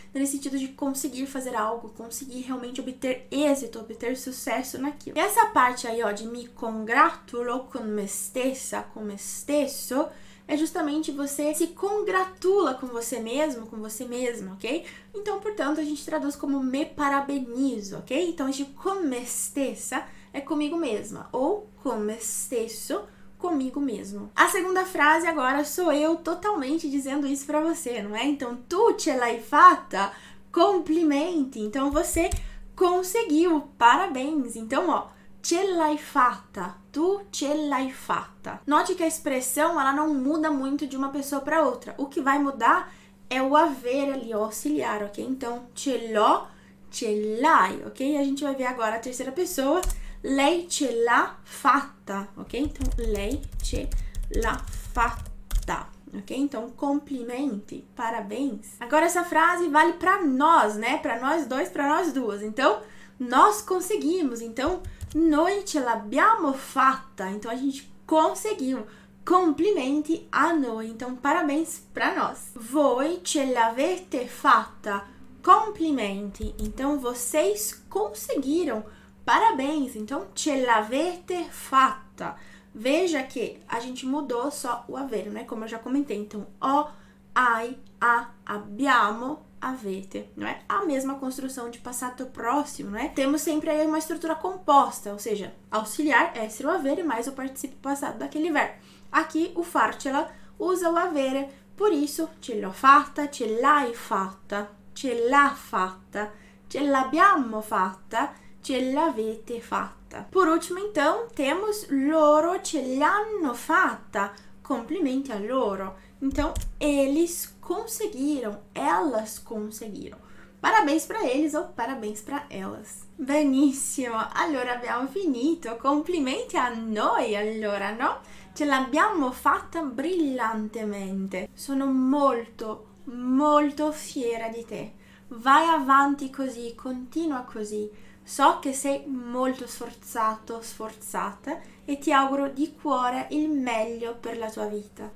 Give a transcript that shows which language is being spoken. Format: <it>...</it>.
<pt>Nesse sentido de conseguir fazer algo, conseguir realmente obter êxito, obter sucesso naquilo. E essa parte aí, ó, de</pt> <it>me congratulo con me stessa, con me stesso,</it> <pt>é justamente você se congratula com você mesmo, com você mesma, ok? Então, portanto, a gente traduz como me parabenizo, ok? Então, de com</pt> <it>me stessa</it> <pt>é comigo mesma, ou com</pt> <it>me stesso,</it> <pt>comigo mesmo. A segunda frase agora sou eu totalmente dizendo isso pra você, não é?</pt> <it>Então, tu ce l'hai fatta, complimenti.</it> <pt>Então, você conseguiu, parabéns. Então, ó,</pt> <it>ce l'hai fatta. Tu ce l'hai fatta.</it> <pt>Note que a expressão, ela não muda muito de uma pessoa para outra. O que vai mudar é o haver ali, o auxiliar, ok? Então,</pt> <it>ce l'ho, ce l'hai,</it> <pt>ok? E a gente vai ver agora a terceira pessoa.</pt> <it>Lei ce l'ha fatta, ok? Então, lei ce l'ha fatta, ok?</it> <pt>Então,</pt> <it>complimenti,</it> <pt>parabéns. Agora, essa frase vale para nós, né? Para nós dois, para nós duas. Então, nós conseguimos.</pt> <it>Então, noi ce l'abbiamo fatta.</it> <pt>Então, a gente conseguiu.</pt> <it>Complimenti a noi.</it> <pt>Então, parabéns pra nós.</pt> <it>Voi ce l'avete fatta. Complimenti.</it> <pt>Então, vocês conseguiram. Parabéns. Então,</pt> <it>ce l'avete fatta.</it> <pt>Veja que a gente mudou só o aver, né? Como eu já comentei. Então, o, ai, a, abbiamo, avete, não é? A mesma construção de passato próximo, né? Temos sempre aí uma estrutura composta, ou seja, auxiliar é ser o avere mais o participio passado daquele verbo. Aqui, o farcela usa o avere, por isso,</pt> <it>ce l'ho fatta, ce l'hai fatta, ce l'ha fatta, ce l'abbiamo fatta, ce l'avete fatta.</it> <pt>Por último, então, temos</pt> <it>loro ce l'hanno fatta, complimenti a loro.</it> <pt>Então, eles conseguiram, elas conseguiram. Parabéns para eles ou parabéns para elas.</pt> <it>Benissimo, allora abbiamo finito. Complimenti a noi, allora, no? Ce l'abbiamo fatta brillantemente. Sono molto, molto fiera di te. Vai avanti così, continua così. So che sei molto sforzato, sforzata e ti auguro di cuore il meglio per la tua vita.</it>